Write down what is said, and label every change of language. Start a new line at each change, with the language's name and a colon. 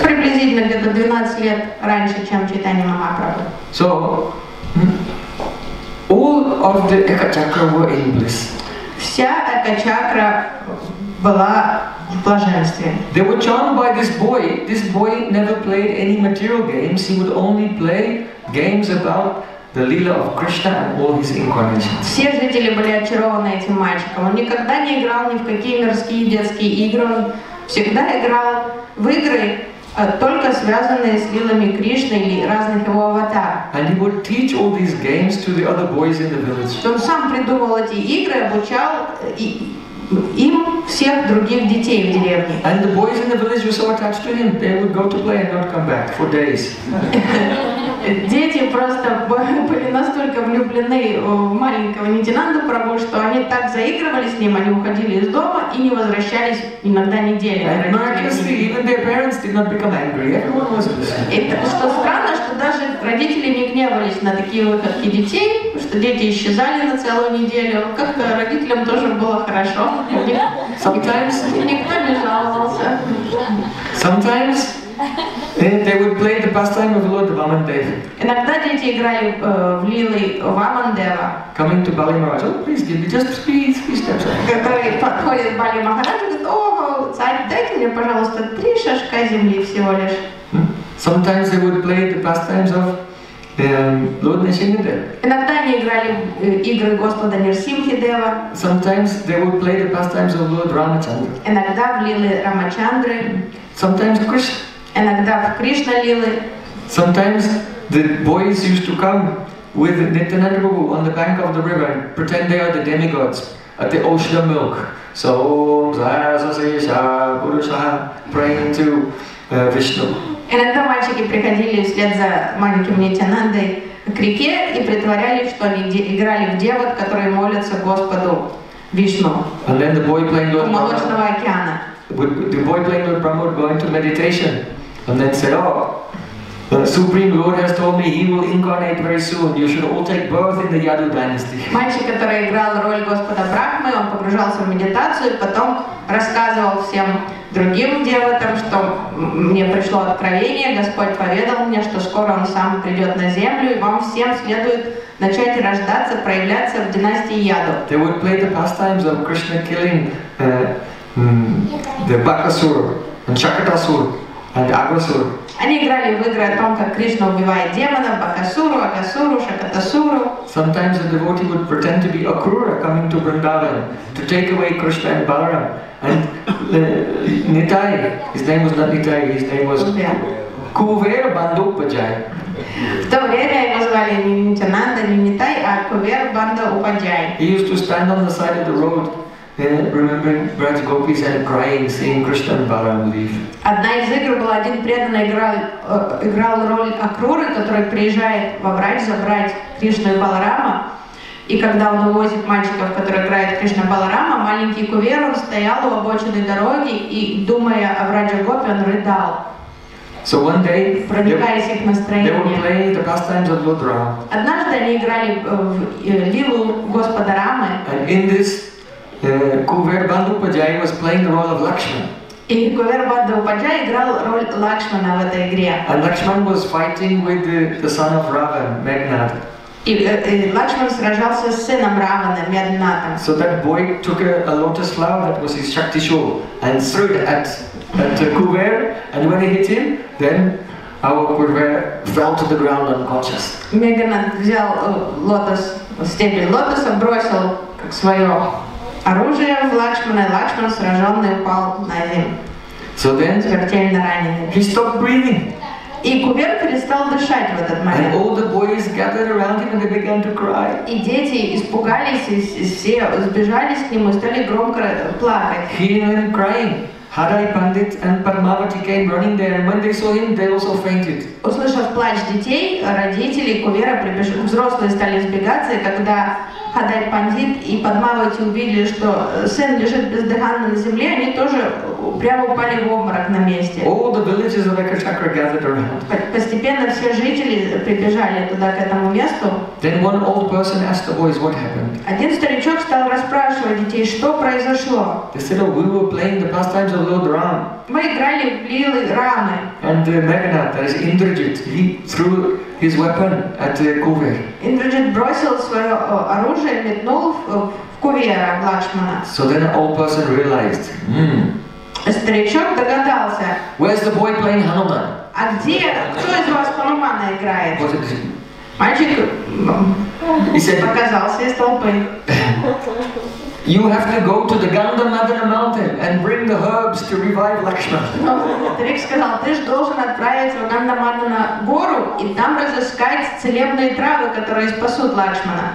Russian: Приблизительно где-то 12 лет раньше, чем Чайтанья Махапрабху.
English: So, all of the Eka Chakra were in bliss.
Russian: Вся Eka Chakra была в блаженстве.
English: They were charmed by this boy. This boy never played any material games. He would only play games about the Lila of Krishna and all his incarnations.
Russian: Все жители были очарованы этим мальчиком. Он никогда не играл ни в какие мирские детские игры. Он всегда играл в игры, только связанные с Лилами Кришны или разных его аватар.
English: And he would teach all these games to the other boys in the village.
Russian: Он сам придумал эти игры, обучал им всех других детей в деревне. And the boys in the village were so attached to him, they would go to play and not come back for days. Дети просто были настолько влюблены в маленького Нитинанду Прабху, что они так заигрывали с ним, они уходили из дома и не возвращались иногда недели. И что странно, что даже родители не гневались на такие выходки детей, что дети исчезали на целую неделю. Как-то родителям тоже было хорошо.
English: Sometimes
Russian: никто не жаловался.
English: Sometimes They would play the pastime of Lord Vamadeva.
Russian: Иногда дети играли в лилы Вамандева.
English: Coming to Bali Maharaj, oh, please give me just three steps.
Russian: Который подходит Бали Махараджу, говорит, о, царь, дайте мне, пожалуйста, три шажка земли всего лишь.
English: Sometimes they would play the pastimes of Lord Nrisimhadeva.
Russian: Иногда они играли игры Господа Нрисимхадева.
English: Sometimes they would play the pastimes of Lord Ramachandra.
Russian: Иногда в лилы Рамачандры.
English: Sometimes Krishna.
Russian: Иногда в Кришна лилы.
English: Sometimes the boys used to come with Nityananda Prabhu on the bank of the river and pretend they are the demigods at the ocean of milk. So, Zayasasisha, Purushaha, praying to Vishnu.
Russian: Иногда мальчики приходили вслед за маленьким Нитянандой к реке и притворялись, что они играли в девок, которые молятся Господу Вишну.
English: And then the boy playing Lord
Russian: Brahma. У молочного океана.
English: The boy playing Lord Brahma would go into meditation. And then said, oh, the Supreme Lord has told me he will incarnate very soon. You should all take birth in the Yadu dynasty.
Russian: Мальчик, который играл роль Господа Брахмы, он погружался в медитацию, потом рассказывал всем другим девотам, что мне пришло откровение, Господь поведал мне, что скоро он сам придет на землю, и вам всем следует начать рождаться, проявляться в династии Яду.
English: They would play the pastimes of Krishna killing the Bakasur and Chakatasur. And Агасур.
Russian: Они играли в игры о том, как Кришна убивает демонов, Бакасуру, Агасуру, Шакатасуру.
English: Sometimes the devotee would pretend to be Акрура coming to Vrindavan to take away Krishna and Balaram. And Nitai, his name was not Nitai, his name was Кувер Бандупаджай.
Russian: В то время его звали не Нитянанда, не Нитай, а Кувер Бандупаджай.
English: He used to stand on the side of the road. Remembering Braj Gopis and crying, seeing Krishna and Balaram leave.
Russian: Одна из игр была один преданный играл роль Акруры, который приезжает во Врадж забрать Кришну и Баларама. И когда он увозит мальчиков, которые играют Кришна Баларама, маленький Кувер стоял у обочины дороги и, думая о Врадже Гопи, он рыдал.
English: So one day,
Russian: проникаясь их настроением,
English: they were playing the pastimes of Lord Rama.
Russian: Однажды они играли в лилу Господа Рамы.
English: And in this, Кувер Бандупаджай was playing the role of Lakshman.
Russian: И Кувер Бандупаджай играл роль Лакшмана в этой игре.
English: And Lakshman was fighting with the son of Ravan, Meghnad.
Russian: И Лакшман сражался с сыном Равана, Меднатом.
English: So that boy took a lotus flower that was his Shakti Shul and threw it at Kuver, and when he hit him, then our Kuver fell to the ground unconscious.
Russian: Меднат взял лотос, стебель лотоса, бросил как свое оружие в Лакшмана, и Лакшман сраженный упал на землю. Смертельно раненый.
English: He stopped breathing.
Russian: И Кувер перестал дышать в этот момент.
English: And all the boys gathered around him and they began to cry.
Russian: И дети испугались, и все сбежались к нему и стали громко плакать.
English: He and crying. Hadai Pandit and Padmavati came running there, and when they saw him, they also fainted.
Russian: Услышав плач детей, родители Кувера прибежали, взрослые стали сбегаться, и когда Хадай Пандит и Падмавати увидели, что сын лежит бездыханно на земле, они тоже прямо упали в обморок на месте.
English: All the villages of Ekachakra gathered around.
Russian: Постепенно все жители прибежали туда, к этому месту.
English: Then one old person asked the boys what happened.
Russian: Один старичок стал расспрашивать детей, что произошло.
English: They said, oh, we were playing the pastimes of Lord Rama.
Russian: Мы играли в лилы Рамы.
English: And Meghnad, that is Indrajit, he threw his weapon at Kuver.
Russian: Indrajit бросил свое оружие, метнул в Кувера, в Лакшмана.
English: So then an old person realized,
Russian: Старичок догадался.
English: Where's the boy playing Hanuman?
Russian: А где, кто из вас Ханумана играет?
English: Was it him?
Russian: Мальчик показался из толпы.
English: You have to go to the Gandhamadana mountain and bring the herbs to revive Lakshman.
Russian: Старик сказал, ты же должен отправиться в Гандамадана гору и там разыскать целебные травы, которые спасут Лакшмана.